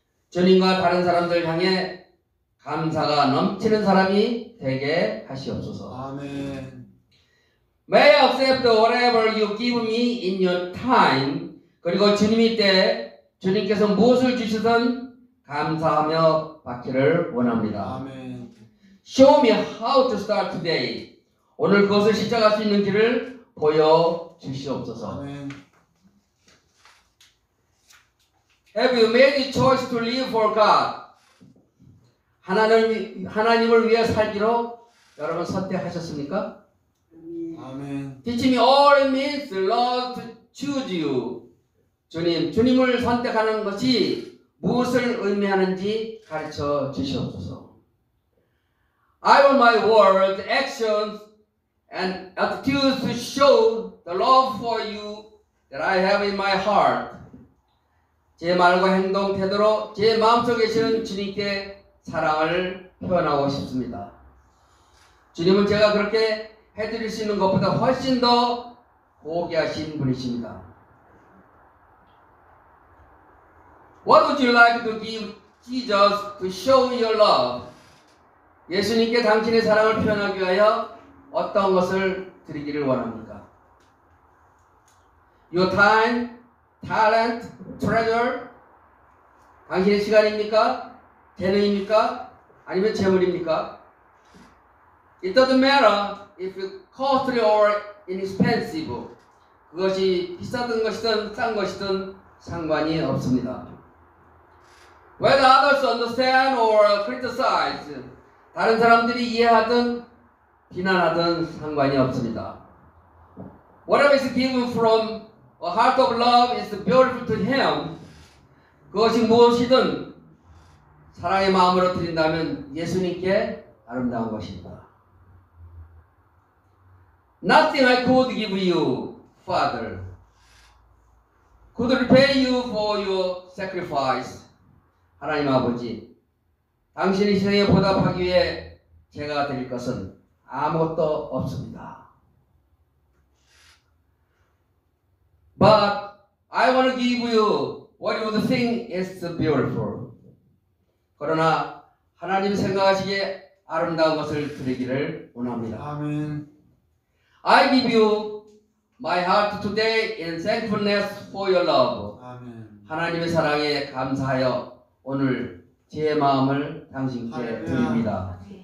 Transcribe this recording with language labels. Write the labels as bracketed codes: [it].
[ko] 주님과 다른 사람들 향해 감사가 넘치는 사람이 되게 하시옵소서. 아멘. [en] May I accept whatever you give me in your time. [ko] 그리고 주님이 때 주님께서 무엇을 주시든 감사하며 받기를 원합니다. 아멘. [en] Show me how to start today. [ko] 오늘 그것을 시작할 수 있는 길을 보여 주시옵소서. 아멘. [en] Have you made a choice to live for God? [ko] 하나님을 위해 살기로 여러분 선택하셨습니까? 아멘. [en] Teach me all it means, Lord, to choose you. [ko] 주님을 선택하는 것이 무엇을 의미하는지 가르쳐 주시옵소서. [en] I want my words, actions, and attitudes to show the love for you that I have in my heart. [ko] 제 말과 행동, 태도로 제 마음속에 계시는 주님께 사랑을 표현하고 싶습니다. 주님은 제가 그렇게 해드릴 수 있는 것보다 훨씬 더 고귀하신 분이십니다. [en] What would you like to give Jesus to show your love? [ko] 예수님께 당신의 사랑을 표현하기 위하여 어떤 것을 드리기를 원합니까? [en] Your time, talent, treasure? [ko] 당신의 시간입니까? 재능입니까? 아니면 재물입니까? [en] It doesn't matter if it's costly or inexpensive. [ko] 그것이 비싸든 것이든 싼 것이든 상관이 없습니다. [en] Whether others understand or criticize, [ko] 다른 사람들이 이해하든 비난하든 상관이 없습니다. [en] Whatever is given from a heart of love is beautiful to Him. [ko] 그것이 무엇이든 사랑의 마음으로 드린다면 예수님께 아름다운 것입니다. [en] Nothing I could give you, Father, could repay you for your sacrifice. [ko] 하나님 아버지, 당신의 희생에 보답하기 위해 제가 드릴 것은 아무것도 없습니다. [en] But I want to give you what you think is beautiful. [ko] 그러나 하나님 생각하시기에 아름다운 것을 드리기를 원합니다. 아멘. [en] I give you my heart today in thankfulness for your love. [ko] 아멘. 하나님의 사랑에 감사하여 오늘 제 마음을 당신께 드립니다.